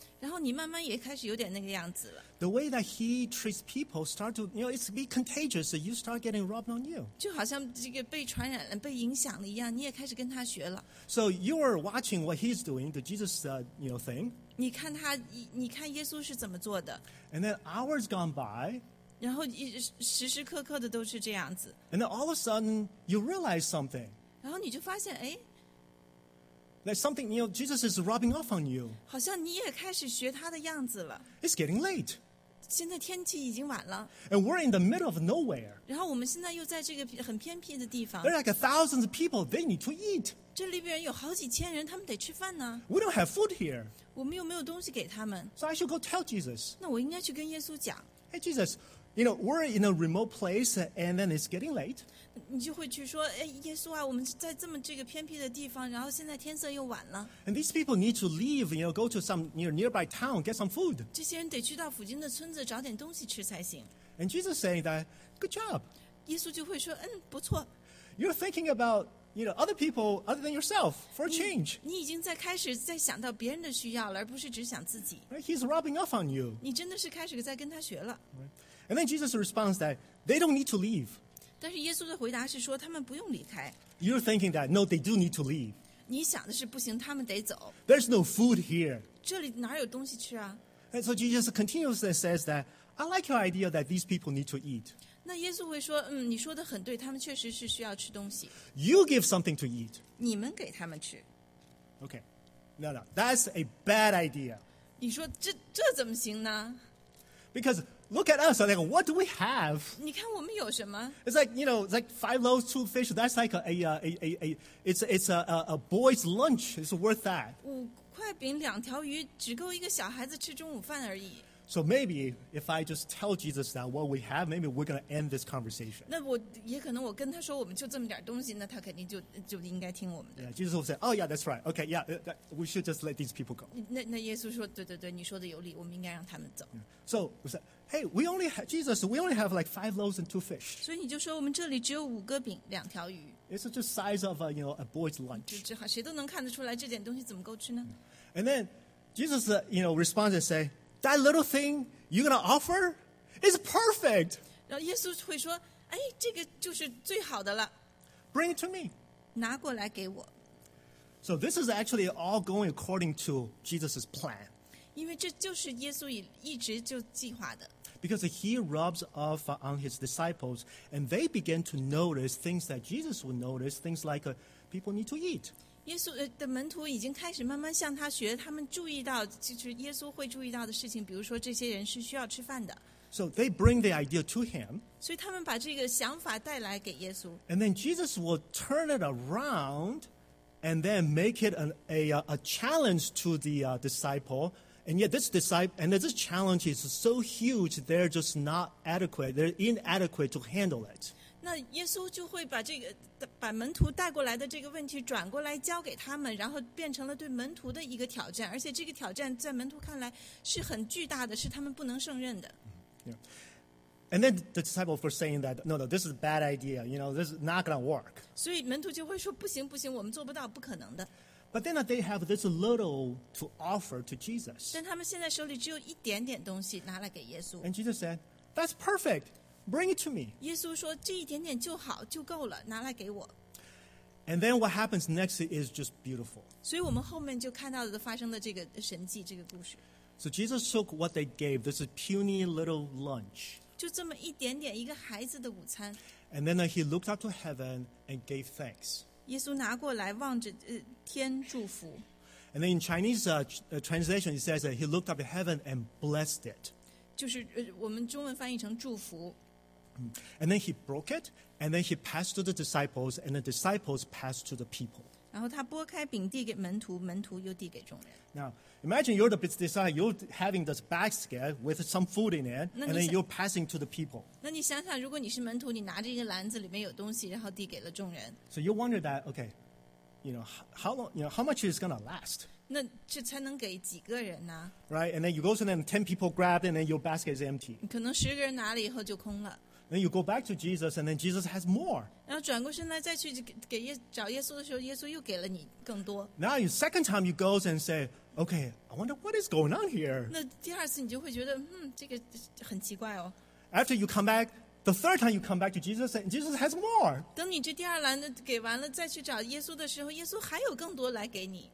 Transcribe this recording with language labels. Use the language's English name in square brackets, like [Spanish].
[Chinese] 然后你慢慢也开始有点那个样子了。 [English] The way that he treats people start to, you know, it's be contagious. You start getting rubbed on you. [Chinese] 就好像这个被传染了、被影响了一样，你也开始跟他学了。 [English] So you are watching what he's doing, the Jesus, thing. [Chinese] 你看他，你看耶稣是怎么做的。 [English] And then hours gone by. [Chinese] 然后时时刻刻的都是这样子。 [English] And then all of a sudden, you realize something. [Chinese] 然后你就发现，哎 [English] ，like something, you know, Jesus is rubbing off on you. [Chinese] 好像你也开始学他的样子了。 [English] It's getting late. [Chinese] 现在天气已经晚了。 [English] And we're in the middle of nowhere. [Chinese] 然后我们现在又在这个很偏僻的地方。 [English] There are like thousands of people. They need to eat. [Chinese] 这里边有好几千人，他们得吃饭呢。 [English] We don't have food here. [Chinese] 我们又没有东西给他们。 [English] So I should go tell Jesus. [Chinese] 那我应该去跟耶稣讲。 [English] Hey, Jesus. You know, we're in a remote place, and then it's getting late. [Chinese] 你就会去说，哎，耶稣啊，我们在这么这个偏僻的地方，然后现在天色又晚了。 [English] And these people need to leave, you know, go to some nearby town, get some food. [Chinese] 这些人得去到附近的村子找点东西吃才行。 [English] And Jesus saying that, good job. [Chinese] 耶稣就会说，嗯，不错。 [English] You're thinking about, you know, other people other than yourself for a change. [Chinese] 你已经在开始在想到别人的需要了，而不是只想自己。 [English] Right? He's rubbing off on you. [Chinese] 你真的是开始在跟他学了。 [English] Right? And then Jesus responds that they don't need to leave. [Chinese] 但是耶稣的回答是说他们不用离开。 [English] You're thinking that, no, they do need to leave. [Chinese] 你想的是不行，他们得走。 [English] There's no food here. [Chinese] 这里哪有东西吃啊？ [English] And so Jesus continues and says that, I like your idea that these people need to eat. [Chinese] 那耶稣会说，嗯，你说的很对，他们确实是需要吃东西。 [English] You give something to eat. [Chinese] 你们给他们吃。 [English] Okay. No, that's a bad idea. [Chinese] 你说这怎么行呢？ [English] Because look at us. Like, what do we have? [Chinese] 你看我们有什么？ [English] It's like, you know, it's like 5 loaves, 2 fish. That's like a boy's lunch. It's worth that. [Chinese] 5块饼, 2条鱼只够一个小孩子吃中午饭而已。 [English] So maybe if I just tell Jesus that what we have, maybe we're going to end this conversation. [Chinese] 那我也可能我跟他说我们就这么点东西，那他肯定就应该听我们的。 [English] Yeah, Jesus will say, "Oh yeah, that's right. Okay, yeah, that, we should just let these people go." [Chinese] 那耶稣说，对对对，你说的有理，我们应该让他们走。 [English] Yeah. So we said, "Hey, we only have Jesus. We only have like 5 loaves and 2 fish." [Chinese] 所以你就说我们这里只有5个饼，2条鱼。 [English] It's just the size of a, you know, a boy's lunch. [Chinese] 就好，谁都能看得出来这点东西怎么够吃呢？ [English] Yeah. And then Jesus, you know, responds and say. That little thing you're gonna offer is perfect. [Chinese] 然后耶稣会说，哎，这个就是最好的了。 [English] Bring it to me. [Chinese] 拿过来给我。 [English] So this is actually all going according to Jesus' plan. [Chinese] 因为这就是耶稣一直就计划的。 [English] Because he rubs off on his disciples, and they begin to notice things that Jesus would notice, things like people need to eat. [Chinese] 耶稣的门徒已经开始慢慢向他学，他们注意到就是耶稣会注意到的事情，比如说这些人是需要吃饭的。 [English] So they bring the idea to him. [Chinese] 所以他们把这个想法带来给耶稣。 [English] And then Jesus will turn it around, and then make it a challenge to the disciple. And yet this disciple and this challenge is so huge, they're just not adequate. They're inadequate to handle it. [Chinese] 那耶稣就会把这个把门徒带过来的这个问题转过来交给他们，然后变成了对门徒的一个挑战，而且这个挑战在门徒看来是很巨大的，是他们不能胜任的。 [English] Yeah. And then the disciple for saying that, no, this is a bad idea. You know, this is not going to work. [Chinese] 所以门徒就会说，不行不行，我们做不到，不可能的。 [English] But then they have this little to offer to Jesus. [Chinese] 但他们现在手里只有一点点东西拿来给耶稣。 [English] And Jesus said, "That's perfect." Bring it to me. [Chinese] 耶稣说这一点点就好就够了，拿来给我。 [English] And then what happens next is just beautiful. [Chinese] 所以我们后面就看到的发生的这个神迹，这个故事。 [English] So Jesus took what they gave. This is puny little lunch. [Chinese] 就这么一点点，一个孩子的午餐。 [English] And then he looked up to heaven and gave thanks. [Chinese] 耶稣拿过来望着天祝福。 [English] And then in Chinese translation, it says that he looked up to heaven and blessed it. [Chinese] 就是我们中文翻译成祝福。 [English] And then he broke it, and then he passed to the disciples, and the disciples passed to the people. [Chinese] 然后他拨开饼递给门徒，门徒又递给众人。 [English] Now, imagine you're the disciple, you're having this basket with some food in it, and then you're passing to the people. [Chinese] 那你想想，如果你是门徒，你拿着一个篮子，里面有东西，然后递给了众人。 [English] So you wonder that, okay, you know, how long, you know, how much is going to last? [Chinese] 那这才能给几个人呢 [English] ？Right, and then you go to them, 10 people grabbed, and then your basket is empty. [Chinese] 可能十个人拿了以后就空了。 [English] Then you go back to Jesus, and then Jesus has more. [Chinese] 然后转过身来再去给耶找耶稣的时候，耶稣又给了你更多。 [English] Now the second time you go and say, "Okay, I wonder what is going on here." [Chinese] 那第二次你就会觉得，这个很奇怪哦。 [English] After you come back, the third time you come back to Jesus, and Jesus has more. [Chinese] 等你这第二篮子给完了再去找耶稣的时候，耶稣还有更多来给你。